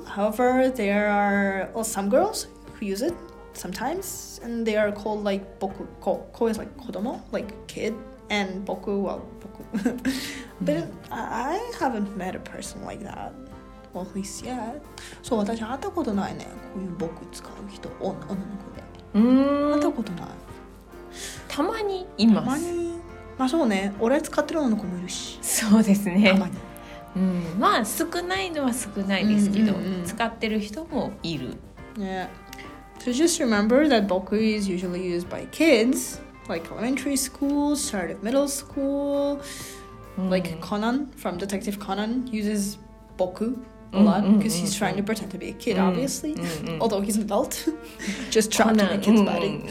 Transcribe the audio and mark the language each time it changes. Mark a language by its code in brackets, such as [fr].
[en] However, there are some girls who use it sometimes, and they are called like boku ko. Ko is like 子供, like kid. And boku, well, boku. But I haven't met a person like that. Well, at least yet. So, [ja] 私会ったことないね。こういう boku 使う人、女の子で。会ったことない。たまにいます。たまに。まあそうね。俺使ってる女の子もいるし。そうですね。たまに。まあ少ないのは少ないですけど、使ってる人もいる。 [en] Yeah. So just remember that boku is usually used by kids. Like elementary school, start of middle school. Like Conan from Detective Conan uses boku a lot because he's trying to pretend to be a kid, obviously. Although he's an adult, just trapped in a kid's body.